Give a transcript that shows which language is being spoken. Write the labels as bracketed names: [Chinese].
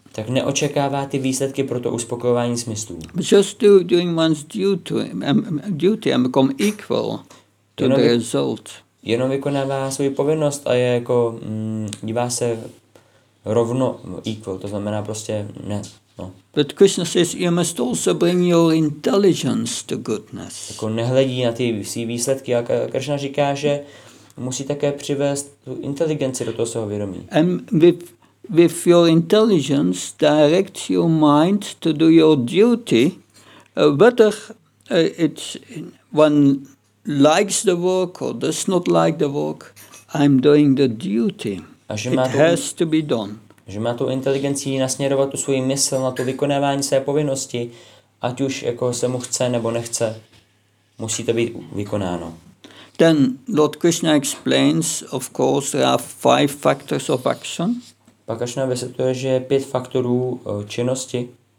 [Czech] Tak neočekává ty výsledky pro to uspokojování smyslů. [English] Just doing one's duty and become equal to the result. [Czech] Jenom vykonává svou povinnost a je jako dívá se rovno equal, to znamená prostě ne. [English] But Krishna says you must also bring your intelligence to goodness. [Czech] Jako nehledí na ty svý výsledky, a Krishna říká, že musí také přivést tu inteligenci do toho svého vědomí. [English] And with your intelligence direct your mind to do your duty, whether it's one likes the work or does not like the work, I'm doing the duty. It has to be done. [Czech] Že má tu inteligenci nasměrovat tu svůj mysl na to vykonávání své povinnosti, ať už jako se mu chce nebo nechce, musí to být vykonáno. [English] Then Lord Krishna explains, of course, there are 5 factors of action. [Czech] Pak Krishna vysvětluje, že je 5 faktorů činnosti.